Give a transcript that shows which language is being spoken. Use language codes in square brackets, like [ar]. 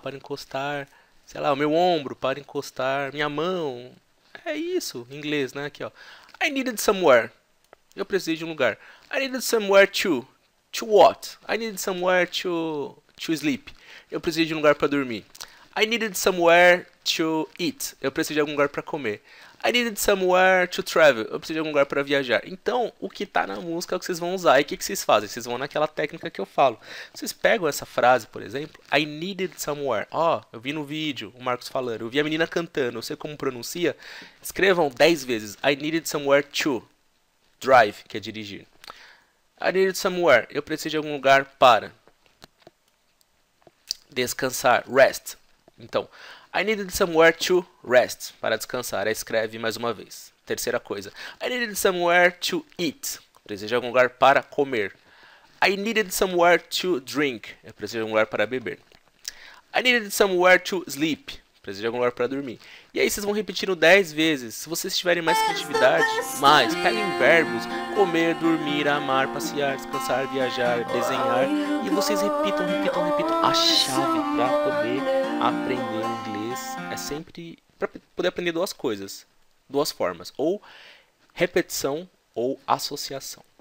[pt] Para encostar, sei lá, o meu ombro. Para encostar minha mão. É isso, em inglês, né? Aqui, ó. [en] I needed somewhere. [pt] Eu precisei de um lugar. [en] I needed somewhere to. To what? I needed somewhere to sleep. [pt] Eu preciso de um lugar para dormir. [en] I needed somewhere to eat. [pt] Eu preciso de algum lugar para comer. [en] I needed somewhere to travel. [pt] Eu preciso de algum lugar para viajar. Então, o que tá na música é o que vocês vão usar. E o que que vocês fazem? Vocês vão naquela técnica que eu falo. Vocês pegam essa frase, por exemplo. [en] I needed somewhere. [pt] Ó, eu vi no vídeo o Marcos falando. Eu vi a menina cantando. Eu sei como pronuncia. Escrevam 10 vezes. [en] I needed somewhere to drive, [pt] que é dirigir. [en] I needed somewhere. [pt] Eu preciso de algum lugar para descansar. [en] Rest. Então, I needed somewhere to rest, [pt] para descansar. Aí escreve mais uma vez. Terceira coisa. [en] I needed somewhere to eat. [pt] Preciso de algum lugar para comer. [en] I needed somewhere to drink. [pt] Eu preciso de algum lugar para beber. [en] I needed somewhere to sleep. [pt] Preciso de algum lugar para dormir. E aí vocês vão repetindo 10 vezes. Se vocês tiverem mais criatividade, mais, peguem verbos: comer, dormir, amar, passear, descansar, viajar, desenhar. E vocês repitam, repitam, repitam. A chave para poder aprender inglês é sempre para poder aprender duas coisas, duas formas, ou repetição ou associação.